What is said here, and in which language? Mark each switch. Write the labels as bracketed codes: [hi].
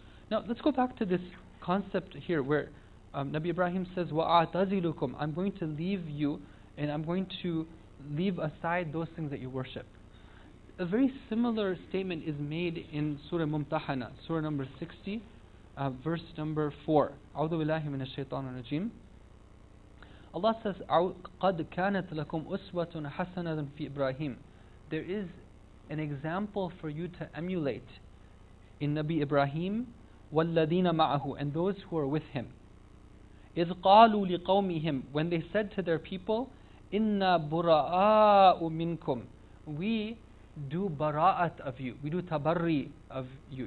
[en] Now, let's go back to this concept here where Nabi Ibrahim says, وَأَعْتَزِلُكُمْ. I'm going to leave you, and I'm going to leave aside those things that you worship. A very similar statement is made in Surah Mumtahana, Surah number 60, verse number 4. [ar] أعوذ بالله من الشيطان الرجيم. [en] Allah says, [ar] قَدْ كَانَتْ لَكُمْ أُسْوَةٌ حَسَنَةٌ فِي إِبْرَاهِيمَ. [en] There is an example for you to emulate in Nabi Ibrahim, [ar] وَالَّذِينَ مَعَهُ, [en] and those who are with him. [ar] إِذْ قَالُوا لِقَوْمِهِمْ, [en] when they said to their people, [ar] إِنَّا بُرَآءُ مِنْكُمْ. [en] We do bara'at of you. We do tabarri of you.